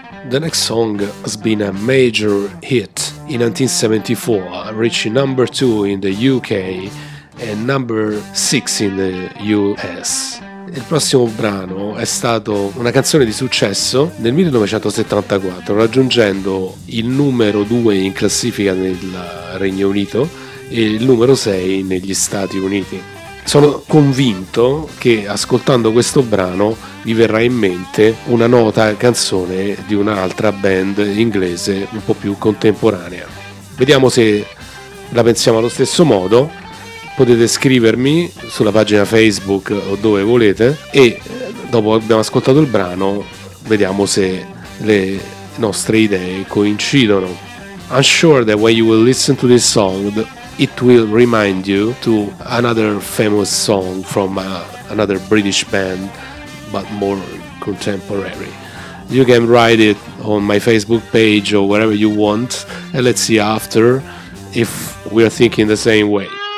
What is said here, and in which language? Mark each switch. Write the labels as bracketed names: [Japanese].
[English] The next song has been a major hit in 1974, reaching number 2 in the UK and number 6 in the US. [Italian] Il prossimo brano è stato una canzone di successo nel 1974, raggiungendo il numero 2 in classifica nel Regno Unito e il numero 6 negli Stati Uniti. Sono convinto che ascoltando questo brano vi verrà in mente una nota canzone di un'altra band inglese un po' più contemporanea. Vediamo se la pensiamo allo stesso modo. Potete scrivermi sulla pagina Facebook o dove volete, e dopo abbiamo ascoltato il brano vediamo se le nostre idee coincidono. [English] I'm sure that when you will listen to this song, it will remind you to another famous song from another British band, but more contemporary. You can write it on my Facebook page or wherever you want, and let's see after if we are thinking the same way.